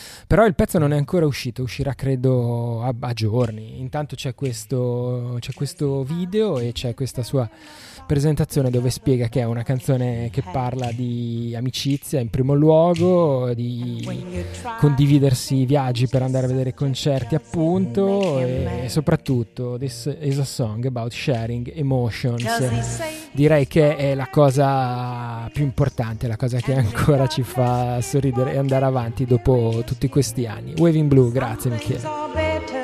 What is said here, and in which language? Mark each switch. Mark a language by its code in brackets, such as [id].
[it] Però il pezzo non è ancora uscito, uscirà credo a giorni. Intanto c'è questo video e c'è questa sua presentazione dove spiega che è una canzone che parla di amicizia in primo luogo, di condividersi i viaggi per andare a vedere concerti appunto, e soprattutto [en] this is a song about sharing emotions. [it] Direi che è la cosa più importante, la cosa che ancora ci fa sorridere e andare avanti dopo tutti questi anni. Waving Blue, grazie Michele.